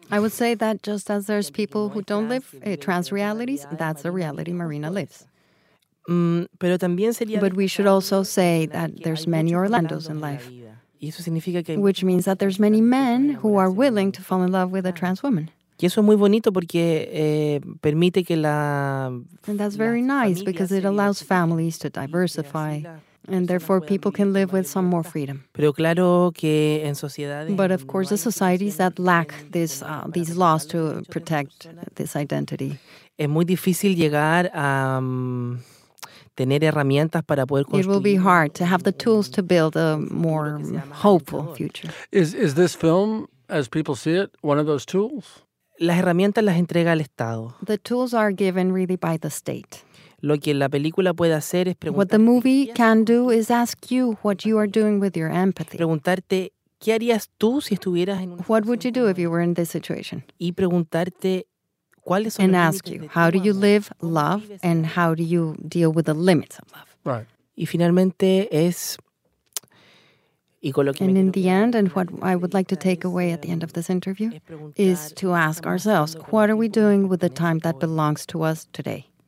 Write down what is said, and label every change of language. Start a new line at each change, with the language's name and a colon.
English: I would say that just as there's people who don't live trans realities, that's the reality Marina lives.
Spanish: Pero también sería
English: but we should also say that there's many Orlandos in life,
Spanish: y eso significa que
English: which means that there's many men who are willing to fall in love with a trans woman.
Spanish: Y eso es muy bonito porque permite que la
English: and that's very nice because it allows families to diversify and therefore people can live with some more freedom.
Spanish: Pero claro que en sociedades
English: but of course the societies that lack this these laws to protect this identity.
Spanish: Es muy difícil llegar a tener herramientas para poder construir
English: it will be hard to have the tools to build a more hopeful future. Is this film, as people see it, one of those tools?
Spanish: Las herramientas las entrega el Estado.
English: The tools are given really by the state.
Spanish: Lo que la película puede hacer es preguntar
English: what the movie can do is ask you what you are doing with your empathy.
Spanish: Preguntarte qué harías tú si estuvieras en una
English: what would you do if you were in this situation?
Spanish: Y preguntarte cuáles son
English: and ask you how do you live love and how do you deal with the limits of love. Right.
Spanish: Y finalmente es
English: and in the end, and what I would like to take away at the end of this interview, is to ask ourselves, what are we doing with the time that belongs to us today?